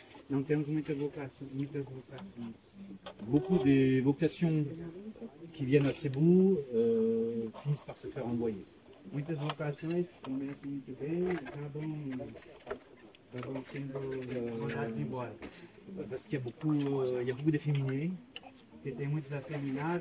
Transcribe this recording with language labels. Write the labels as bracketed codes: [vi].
[fr] Donc il y a beaucoup de vocations. Beaucoup des vocations qui viennent à Cebu finissent par se faire envoyer. [pt] Muitas vocações começam muito bem, acabam sendo mandadas embora. [fr] Parce qu'il y a beaucoup d'efféminés. Qui étaient moins affaiblis.